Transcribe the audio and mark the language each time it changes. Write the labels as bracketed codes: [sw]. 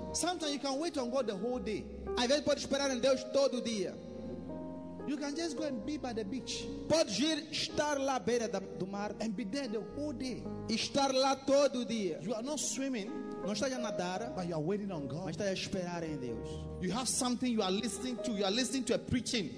[en] Sometimes you can wait on God the whole day. [pt] Às vezes pode esperar em Deus todo dia. [en] You can just go and be by the beach. [pt] Pode ir estar lá beira do mar [en] and be there the whole day. [pt] Estar lá todo dia. [en] You are not swimming, [pt] não está a nadar, [en] but you are waiting on God. [pt] Mas está a esperar em Deus. [en] You have something you are listening to. You are listening to a preaching.